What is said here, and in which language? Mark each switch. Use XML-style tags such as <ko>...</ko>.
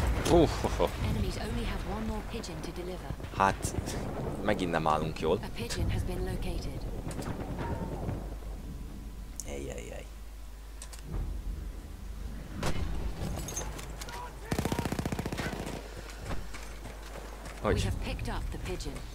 <en>Enemies only have one more pigeon to deliver.</en> <hu>Hát, megint nem állunk jól.</hu> <en>A pigeon has been located. Ejjjjjjjj.</en> <hu>Hogy?</hu> <en>We have picked up the pigeon.</en>